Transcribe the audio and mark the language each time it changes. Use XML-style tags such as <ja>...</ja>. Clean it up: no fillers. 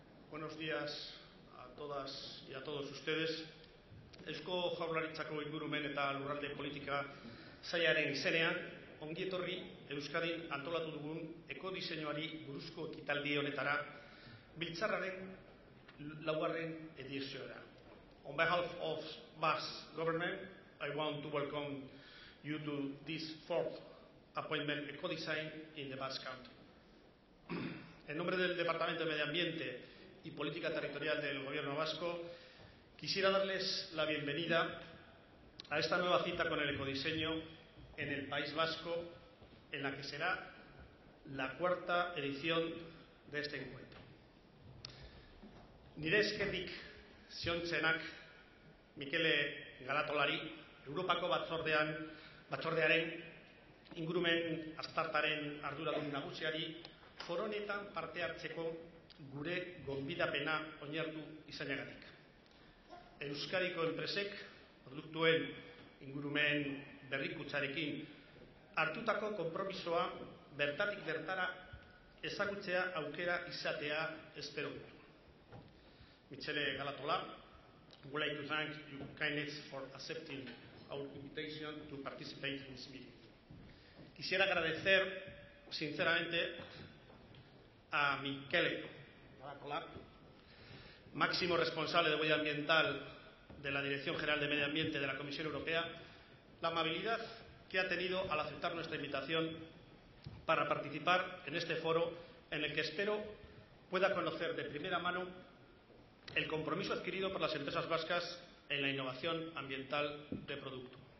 <es>Buenos días a todas y a todos ustedes.</es> <eu>Eusko Jaurlaritzako ingurumen eta lurralde politika sailaren izenean, ongi etorri Euskadin antolatu dugun ekodiseinuari buruzko ekitaldi honetara, biltzarraren laugarren ediziora.</eu> <en>On behalf of BAS government, I want to welcome you to this fourth appointment ecodesign in the Basque Country.</en> <es>En nombre del Departamento de Medio Ambiente y Política Territorial del Gobierno Vasco, quisiera darles la bienvenida a esta nueva cita con el ecodiseño en el País Vasco, en la que será la cuarta edición de este encuentro.</es> <eu>Nire eskerrik zehontzenak Mikele Galatolari, Europako batzordearen ingurumen azterketaren arduradun nagusiari, foro honetan parte hartzeko gure gonbidapena oinarritu izanagatik. Euskadiko enpresek produktuen ingurumen berrikuntzarekin hartutako konpromisoa bertatik bertara ezagutzea aukera izatea espero dut.</eu> <en>Michele Galatola, would like to thank you kindness for accepting our invitation to participate in this meeting.</en> <es>Quisiera agradecer sinceramente a Michele Galatola, máximo responsable de huella ambiental de la Dirección General de Medio Ambiente de la Comisión Europea, la amabilidad que ha tenido al aceptar nuestra invitación para participar en este foro en el que espero pueda conocer de primera mano el compromiso adquirido por las empresas vascas en la innovación ambiental de producto.</es>